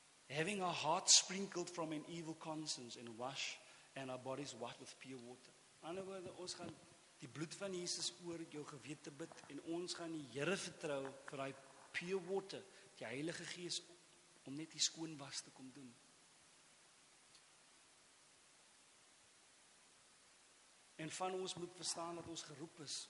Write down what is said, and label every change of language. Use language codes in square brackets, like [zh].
[en] Having our hearts sprinkled from an evil conscience and wash, and our bodies washed with pure water. [af] Ander woorde, ons gaan die bloed van Jesus oor jou gewete bid, en ons gaan die Here vertrou vir die pure water, die Heilige Gees, om net die skoon was te kom doen. En van ons moet verstaan dat ons geroep is.